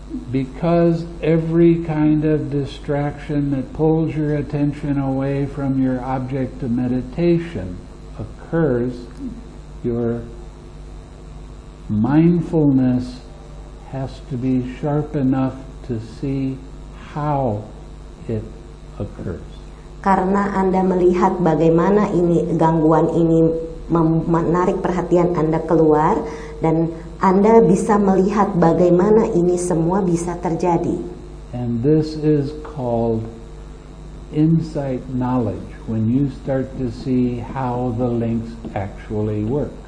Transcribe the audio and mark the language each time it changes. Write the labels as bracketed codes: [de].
[en] Because every kind of distraction that pulls your attention away from your object of meditation occurs, your mindfulness has to be sharp enough to see how it occurs. [id] Karena Anda melihat bagaimana ini gangguan ini menarik perhatian Anda keluar, dan Anda bisa melihat bagaimana ini semua bisa terjadi. [en] And this is called insight knowledge, when you start to see how the links actually work.